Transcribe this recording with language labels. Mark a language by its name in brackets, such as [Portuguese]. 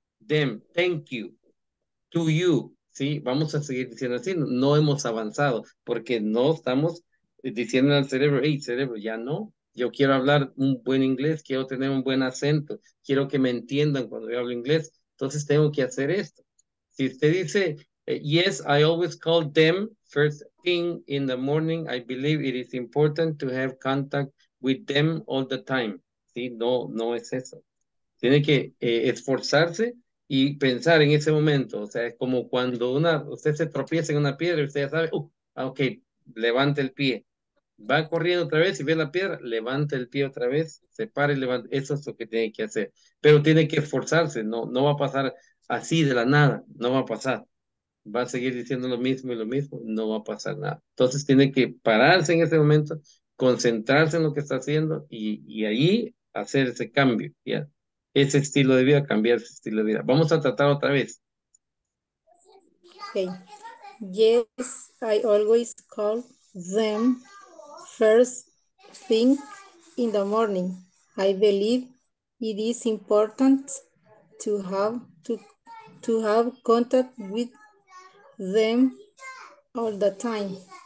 [Spanish] Them, thank you, to you, ¿sí? Vamos a seguir diciendo así, no hemos avanzado, porque no estamos diciendo al cerebro, hey, cerebro, ya no, yo quiero hablar un buen inglés, quiero tener un buen acento, quiero que me entiendan cuando yo hablo inglés, entonces tengo que hacer esto. Si usted dice, [English] Yes, I always call them first thing in the morning. I believe it is important to have contact with them all the time. [Spanish] ¿Sí? No, no es eso. Tiene que esforzarse y pensar en ese momento. O sea, es como cuando una, usted se tropieza en una piedra y usted ya sabe, ok, levanta el pie. Va corriendo otra vez y ve la piedra, levanta el pie otra vez, se para y levanta. Eso es lo que tiene que hacer. Pero tiene que esforzarse, no, no va a pasar así de la nada, no va a pasar. Va a seguir diciendo lo mismo y lo mismo, no va a pasar nada. Entonces tiene que pararse en ese momento, concentrarse en lo que está haciendo y ahí hacer ese cambio, ¿ya? Ese estilo de vida, cambiar ese estilo de vida. Vamos a tratar otra vez. [English] Okay. Yes, I always call them first thing in the morning. I believe it is important to have contact with them all the time.